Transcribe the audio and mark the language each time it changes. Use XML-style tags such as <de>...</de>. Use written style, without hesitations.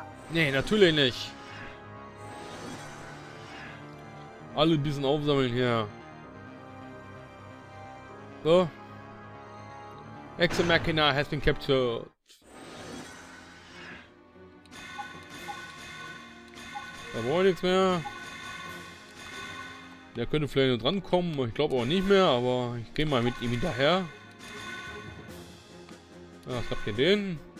<de>Nee, natürlich nicht. Alle ein bisschen aufsammeln hier. So.</de> <en>Exo Machina has been captured.</en> <de>Da brauche ich nichts mehr. Der könnte vielleicht noch drankommen. Ich glaube aber nicht mehr. Aber ich gehe mal mit ihm hinterher. Ja, was habt ihr denn?</de>